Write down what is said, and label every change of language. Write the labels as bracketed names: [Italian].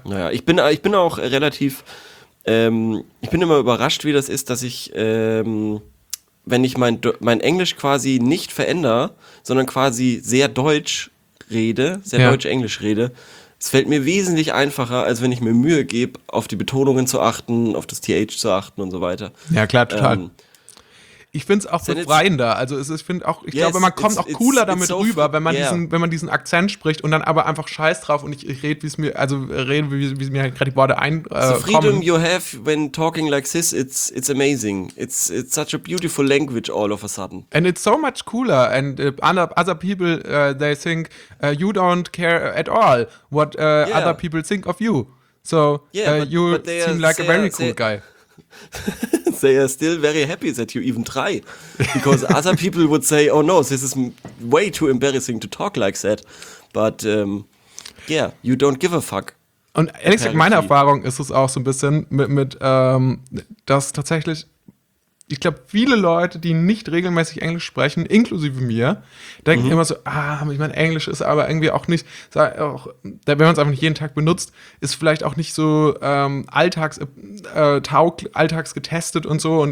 [German] Naja, ich bin auch relativ, ich bin immer überrascht, wie das ist, dass ich, wenn ich mein Englisch quasi nicht verändere, sondern quasi sehr deutsch rede, sehr deutsch-englisch rede, es fällt mir wesentlich einfacher, als wenn ich mir Mühe gebe, auf die Betonungen zu achten, auf das TH zu achten und so weiter. Ja, klar, total. Ich finde es auch befreiender. Also ich glaube, man kommt auch cooler damit rüber, wenn man diesen Akzent spricht und dann aber einfach Scheiß drauf und ich rede, wie es mir, also rede, wie mir gerade die Worte einkommen. [English] The freedom you have when talking like this, it's amazing. It's such a beautiful language all of a sudden. And it's so much cooler. And other people, they think you don't care at all what other people think of you. So you seem like a very cool guy. They are still very happy that you even try, because other people would say, oh no, this is way too embarrassing to talk like that, but you don't give a fuck. [German] Und ehrlich gesagt, meine Erfahrung ist es auch so ein bisschen mit dass tatsächlich, ich glaube, viele Leute, die nicht regelmäßig Englisch sprechen, inklusive mir, denken immer so, ich meine, Englisch ist aber irgendwie auch nicht, wenn man es einfach nicht jeden Tag benutzt, ist vielleicht auch nicht so alltagsgetestet und so.